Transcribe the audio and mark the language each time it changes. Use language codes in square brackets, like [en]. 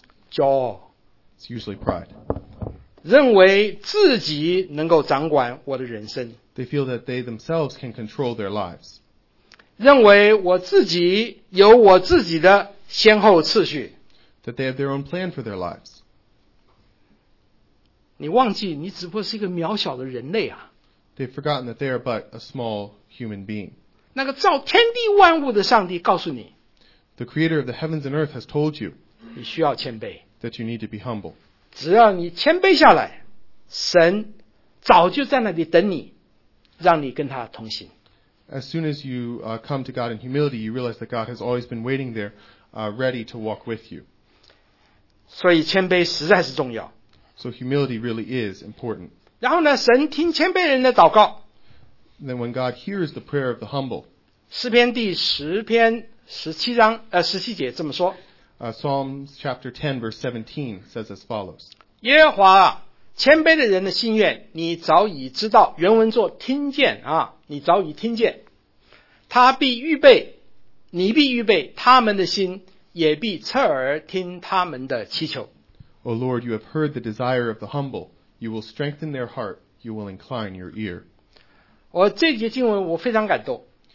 [zh] 骄傲。 [en] It's usually pride. [zh] 认为自己能够掌管我的人生。 [en] They feel that they themselves can control their lives. [zh] 认为我自己有我自己的先后次序。 [en] That they have their own plan for their lives. [zh] 你忘记你只不过是一个渺小的人类啊。 [en] They've forgotten that they are but a small human being. [zh] 那个造天地万物的上帝告诉你。 [en] The creator of the heavens and earth has told you. [zh] 你需要谦卑。 [en] That you need to be humble. [zh] 只要你谦卑下来，神早就在那里等你，让你跟他同行。 [en] As soon as you come to God in humility, you realize that God has always been waiting there, ready to walk with you. [zh] 所以谦卑实在是重要。 [en] So humility really is important. [zh] 然后呢，神听谦卑人的祷告。 [en] Then when God hears the prayer of the humble. [zh] 诗篇第十篇十七章十七节这么说。 [en] Psalms chapter 10 verse 17 says as follows. [zh] 耶和华啊，谦卑的人的心愿你早已知道，原文作听见啊，你早已听见。他必预备，你必预备他们的心，也必侧耳听他们的祈求。 [en] O Lord, you have heard the desire of the humble. You will strengthen their heart. You will incline your ear. [zh] 我这节经文我非常感动。